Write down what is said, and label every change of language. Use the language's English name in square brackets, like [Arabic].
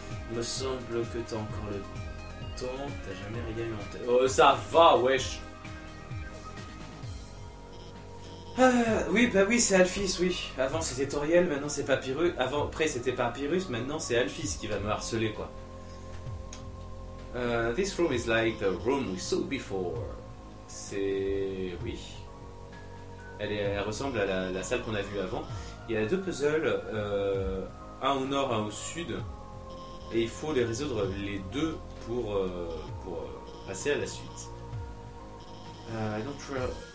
[French] Il me semble que t'as encore le temps. T'as jamais rien eu en tête. Oh, ça va, wesh! Ah, oui, bah oui, c'est Alphys, oui. Avant c'était Toriel, maintenant c'est Papyrus. Après c'était Papyrus, maintenant c'est Alphys qui va me harceler, quoi. [English] This room is like the room we saw before. [French] C'est... Oui. Elle ressemble à la salle qu'on a vue avant. Il y a deux puzzles, un au nord, un au sud. Et il faut les résoudre les deux pour passer à la suite. [English] I don't know.